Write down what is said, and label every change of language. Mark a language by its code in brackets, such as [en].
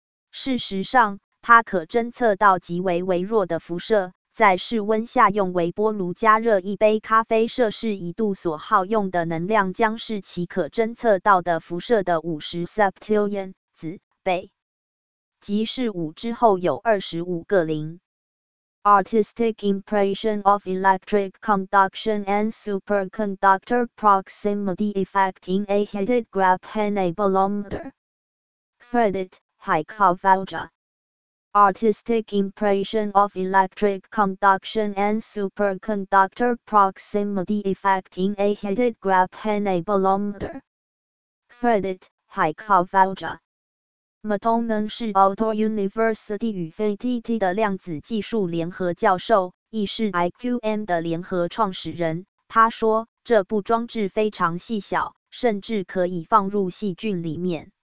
[zh] 事实上，它可侦测到极为微弱的辐射，在室温下用微波炉加热一杯咖啡摄氏一度所耗用的能量将是其可侦测到的辐射的50 septillion 倍，即是5之后有25个零。 [en] Artistic impression of electric conduction and superconductor proximity effect in a heated graphenabolometer. Credit, Haikovalja. Artistic impression of electric conduction and superconductor proximity effect in a heated graphenabolometer. Credit, Haikovalja. [zh] Matonen 是 Aalto University 与 VTT 的量子技术联合教授，亦是 IQM 的联合创始人。他说，这部装置非常细小，甚至可以放入细菌里面。